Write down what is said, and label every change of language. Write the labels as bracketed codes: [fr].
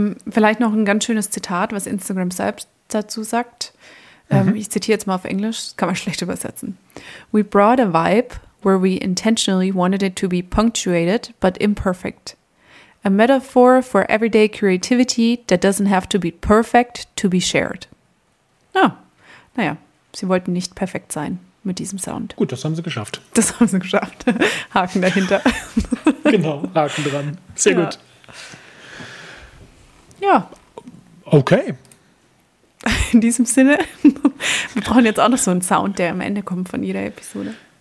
[de] Vielleicht noch ein ganz schönes Zitat, was Instagram selbst dazu sagt. Ich zitiere jetzt mal auf Englisch, das kann man schlecht übersetzen. [en] We brought a vibe where we intentionally wanted it to be punctuated, but imperfect. A metaphor for everyday creativity that doesn't have to be perfect to be shared. [de] Ah, naja. Sie wollten nicht perfekt sein mit diesem Sound. Gut, das haben sie geschafft. Das haben sie geschafft. Haken dahinter. Genau, Haken dran. Sehr gut. Ja. Okay. In diesem Sinne, wir brauchen jetzt auch noch so einen Sound, der am Ende kommt von jeder Episode.